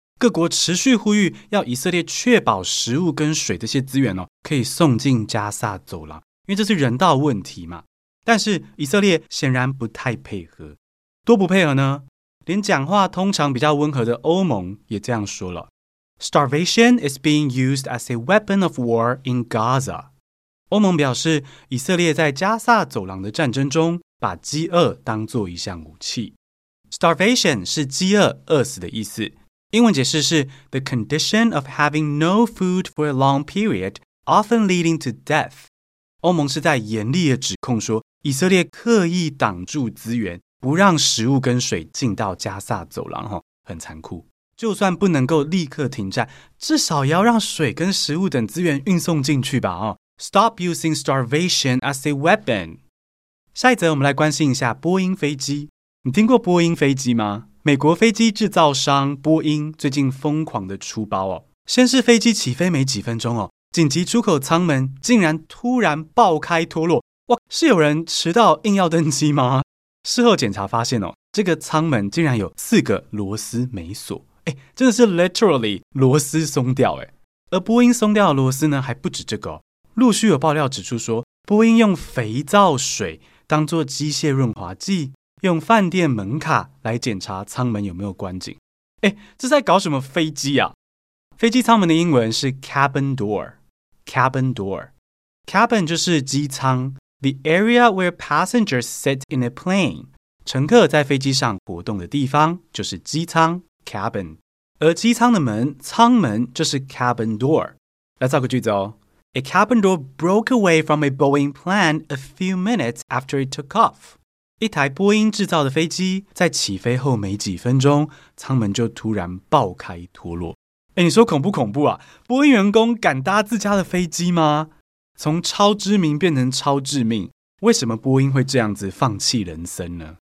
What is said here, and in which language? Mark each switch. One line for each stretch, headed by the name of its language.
Chinese: 各国持续呼吁要以色列确保食物跟水这些资源哦，可以送进加萨走廊，因为这是人道问题嘛。但是以色列显然不太配合。多不配合呢？连讲话通常比较温和的欧盟也这样说了。
English: Starvation is being used as a weapon of war in Gaza。
Chinese: 欧盟表示以色列在加萨走廊的战争中把饥饿当作一项武器。 Starvation 是饥饿、饿死的意思，英文解释是
English: The condition of having no food for a long period, often leading to death。
Chinese: 欧盟是在严厉的指控说以色列刻意挡住资源，不让食物跟水进到加萨走廊，很残酷。就算不能够立刻停战，至少要让水跟食物等资源运送进去吧。
English: Stop using starvation as a weapon。
Chinese: 下一则我们来关心一下波音飞机。你听过波音飞机吗？美国飞机制造商波音最近疯狂的出包哦。先是飞机起飞没几分钟，紧急出口舱门竟然突然爆开脱落。哇，是有人迟到硬要登机吗？事后检查发现，这个舱门竟然有四个螺丝没锁，真的是 literally 螺丝松掉。而波音松掉的螺丝呢，还不止这个，陆续有爆料指出说波音用肥皂水当作机械润滑剂，用饭店门卡来检查舱门有没有关紧。这在搞什么飞机啊？飞机舱门的英文是 cabin door。cabin door， cabin 就是机舱，
English: The area where passengers sit in a plane，
Chinese: 乘客在飞机上活动的地方就是机舱 cabin， 而机舱的门舱门就是 cabin door。来造个句子哦。
English: A cabin door broke away from a Boeing plane a few minutes after it took off。
Chinese: 一台波音制造的飞机在起飞后没几分钟，舱门就突然爆开脱落。你说恐怖恐怖啊，波音员工敢搭自家的飞机吗？从超知名变成超致命，为什么波音会这样子放弃人生呢？